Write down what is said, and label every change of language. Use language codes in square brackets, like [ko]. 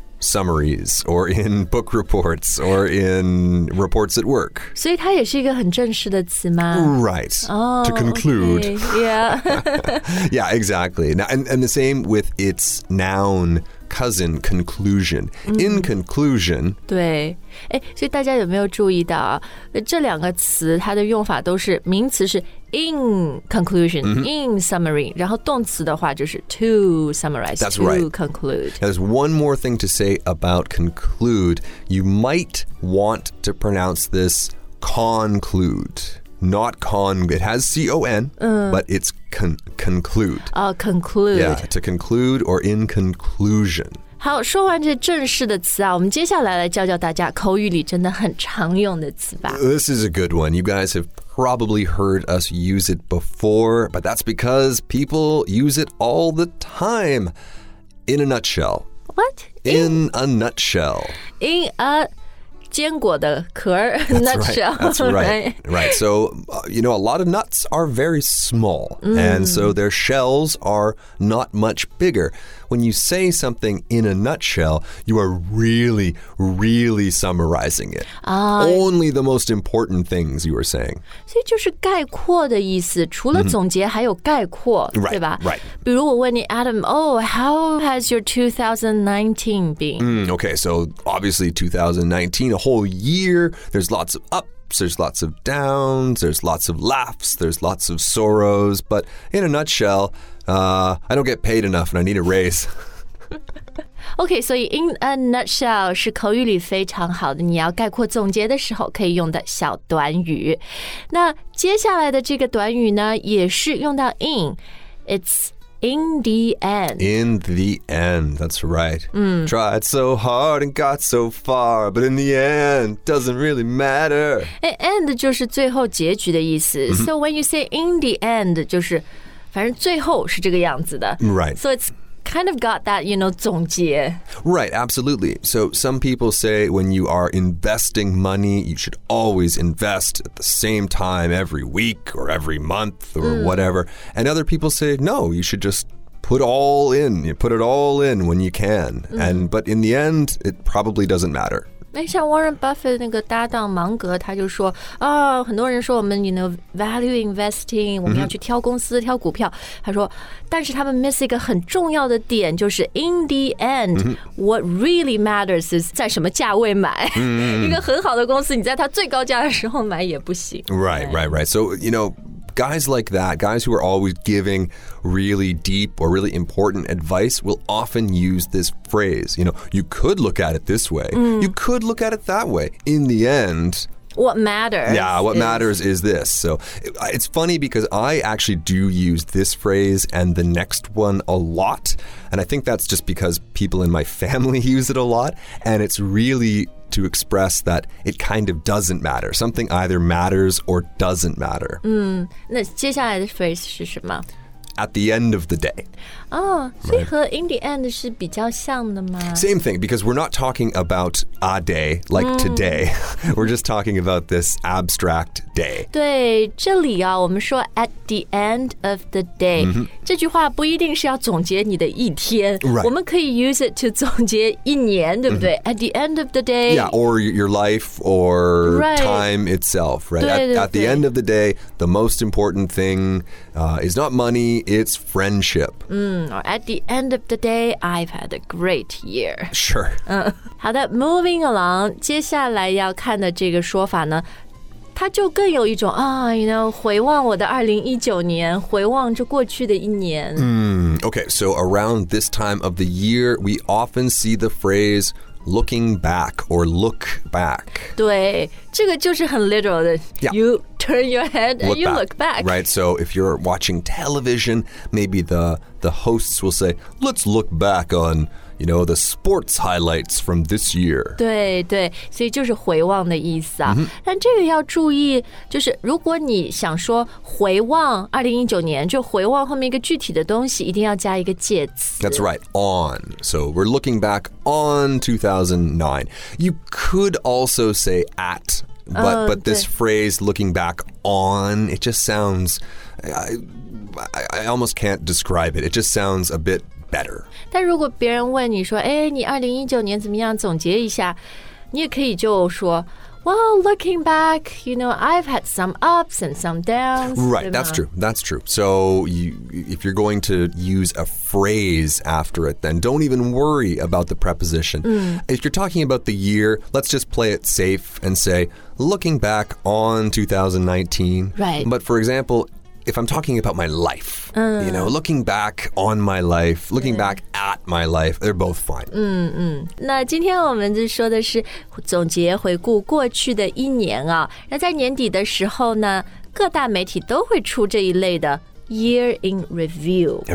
[en] summaries, or in book reports, or in reports at work. So it is a very formal word, right? To conclude. Okay. Yeah. Yeah, exactly. Now, and the same with its noun cousin, conclusion. In conclusion. [zh] 对，所以大家有没有注意到啊？这两个词它的用法都是名词是 [en] in conclusion, in summary, [zh] 然后动词的话就是 [en] to summarize, That's to right. conclude. There's one more thing to say about conclude. You might want to pronounce this conclude. Not con, it has C-O-N, but it's conclude. Conclude. Yeah, to conclude or in conclusion. [zh] 好，说完这正式的词啊，我们接下来来教教大家口语里真的很常用的词吧。 [en] This is a good one. You guys have probably heard us use it before, but that's because people use it all the time. In a nutshell. What? In a nutshell. In a... [zh] 坚果的壳 nutshell. [en] That's right. Right. So, you know, a lot of nuts are very small, and so their shells are not much bigger. When you say something in a nutshell, you are really, really summarizing it. Only the most important things you are saying. [zh] 所以就是概括的意思，除了总结还有概括，对吧？ [en] Right. [zh] 比如我问你 [en] Adam, how has your 2019 been? Okay, so obviously 2019,a whole year, there's lots of ups, there's lots of downs, there's lots of laughs, there's lots of sorrows, but in a nutshell, I don't get paid enough and I need a raise. Okay, so in a nutshell [zh] 是口语里非常好的，你要概括总结的时候可以用的小短语。那接下来的这个短语呢，也是用到 in, [en] it'sIn the end. In the end, that's right. Tried so hard and got so far, but in the end, doesn't really matter. [zh] End 就是最后结局的意思。 [en] So when you say in the end, [zh] 就是反正最后是这个样子的。 [en] Right. So it's kind of got that, you know, 总结。 Right, absolutely. So some people say when you are investing money, you should always invest at the same time every week or every month or whatever. And other people say, no, you should just put all in. You put it all in when you can. But in the end, it probably doesn't matter. [zh] 那像 Warren Buffett 那个搭档芒格，他就说啊、哦，很多人说我们 [en] you know value investing， [zh] 我们要去挑公司、挑股票。他说，但是他们 miss 一个很重要的点，就是 [en] in the end、what really matters is [zh] 在什么价位买。一个很好的公司，你在它最高价的时候买也不行。 [en] Right. So you know. Guys like that, guys who are always giving really deep or really important advice will often use this phrase. You know, you could look at it this way. You could look at it that way. In the end... What matters is this. So it's funny because I actually do use this phrase and the next one a lot. And I think that's just because people in my family use it a lot. And it's really to express that it kind of doesn't matter. Something either matters or doesn't matter. [zh] 那接下来的 phrase 是什么？ [en] At the end of the day. Oh, so with in the end is [zh] 比较像的吗? [en] Same thing, because we're not talking about a day, like today. We're just talking about this abstract day. [zh] 对,这里啊,我们说 at the end of the day. 这句话不一定是要总结你的一天。 [en] Right. [zh] 我们可以 [en] use it to [zh] 总结一年,对不对? [en] At the end of the day. Yeah, or your life or time itself. Right. [zh] 对对对 [en] at the end of the day, the most important thing is not money,It's friendship. At the end of the day, I've had a great year. Sure. [zh] 好的 , [en] moving along, [zh] 接下来要看的这个说法呢它就更有一种啊、 [en] oh, you know, [zh] 回望我的2019年回望这过去的一年。 [en] Okay, so around this time of the year, we often see the phrase,Looking back or look back. [zh] 对,这个就是很 literal 的。 [en] Yeah. You turn your head and you look back. Right, so if you're watching television, maybe the hosts will say, let's look back on, you know, the sports highlights from this year. [zh] 对,对,所以就是回望的意思啊。但这个要注意,就是如果你想说回望2019年,就回望后面一个具体的东西,一定要加一个介词。 [en] That's right, on. So we're looking back on 2009. You could also say at, but this phrase, looking back on, it just sounds, I almost can't describe it. It just sounds a bit better. [zh] 但如果别人问你说，哎，你2019年怎么样？总结一下，你也可以就说。 [en] Well, looking back, you know, I've had some ups and some downs. Right, that's true. That's true. So if you're going to use a phrase after it, then don't even worry about the preposition. If you're talking about the year, let's just play it safe and say, looking back on 2019. Right. But for example, if I'm talking about my life, you know, looking back on my life, looking back at my life, they're both fine. [zh] 那今天我们就说的是总结回顾过去的一年啊。那在年底的时候呢，各大媒体都会出这一类的 [en] year in review [zh] 报